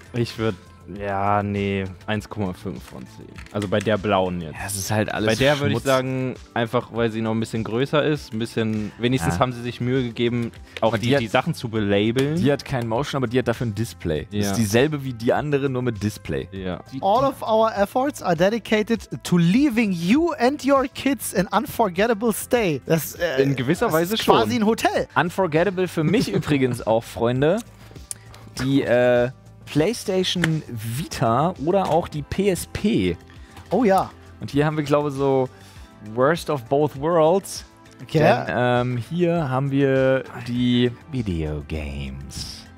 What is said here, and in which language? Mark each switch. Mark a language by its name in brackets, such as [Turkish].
[German] Ich würde... Ja, nee, 1,5 von 10. Also bei der blauen jetzt. Das ist halt alles bei der würde ich sagen, einfach weil sie noch ein bisschen größer ist, ein bisschen, wenigstens haben sie sich Mühe gegeben, auch die Sachen zu belabeln. Die hat kein Motion, aber die hat dafür ein Display. Ja. Das ist dieselbe wie die andere, nur mit Display. Ja. [English] All of our efforts are dedicated to leaving you and your kids an unforgettable stay. [German] Das, in gewisser das Weise ist schon. Quasi ein Hotel. Unforgettable für mich übrigens auch, Freunde. Die, PlayStation Vita oder auch die PSP. Oh ja. Und hier haben wir, glaube ich, so [English] Worst of Both Worlds. [German] Okay. Denn, hier haben wir die Videogames.